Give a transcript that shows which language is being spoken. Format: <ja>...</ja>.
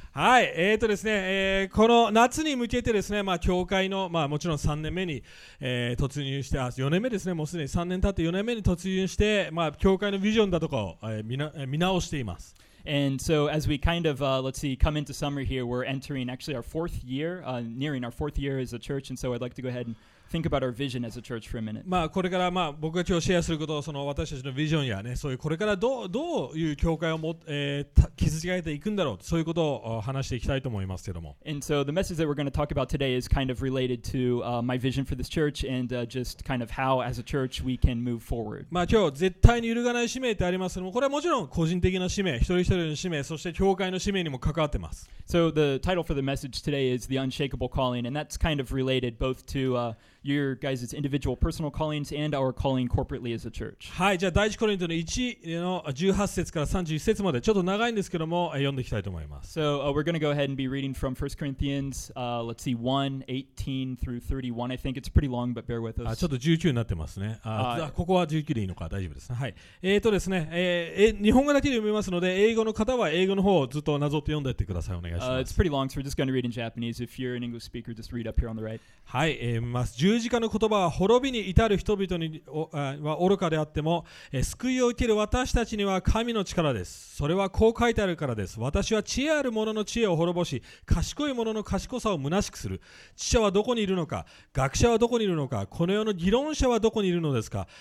<ja>はい、ですね、この夏に向けてですね、まあ、教会の、まあ、もちろん3年目に、突入して、4年目ですね、もうすでに3年経って4年目に突入して、まあ、教会のビジョンだとかを、見直しています。</ja> <en>And so as we kind of, let's see, come into summer here, we're entering actually our fourth year, nearing our fourth year as a church, and so I'd like to go ahead and think about our vision as a church for a minute.</en> <ja>まあこれからまあ僕が今日シェアすることをその私たちのビジョンやね、そういうこれからどういう教会を築き上げていくんだろう、そういうことを話していきたいと思いますけども。</ja> <en>And so the message that we're going to talk about today is kind of related to my vision for this church and just kind of how as a church we can move forward.</en> <ja>まあ今日絶対に揺るがない使命ってありますけども、これはもちろん個人的な使命、一人一人の使命、そして教会の使命にも関わってます。</ja> <en>So the title for the message today is The Unshakable Calling, and that's kind of related both to your guys' individual personal callings and our calling corporately as a church.</en> <ja>はい、じゃあ第一コリントの1の18節から31節までちょっと長いんですけども、読んでいきたいと思います。</ja> <en>So we're going to go ahead and be reading from 1 Corinthians, let's see, 1:18 through 31. I think it's pretty long, but bear with us.</en> <ja>ちょっと19になってますね。ここは19でいいのか、大丈夫ですね。はい。ですね、日本語だけで読みますので、英語の方は英語の方をずっとなぞって読んでいってください。</ja> <en>It's pretty long, so we're just going to read in Japanese. If you're an English speaker, just read up here on the right.</en> <ja>はい、ます。十字架の言葉は滅びに至る人々には愚かであっても、救いを受ける私たちには神の力です。それはこう書いてあるからです。私は知恵ある者の知恵を滅ぼし、賢い者の賢さを虚しくする。知者はどこにいるのか、学者はどこにいるのか、この世の議論者はどこにいるのですか。</ja>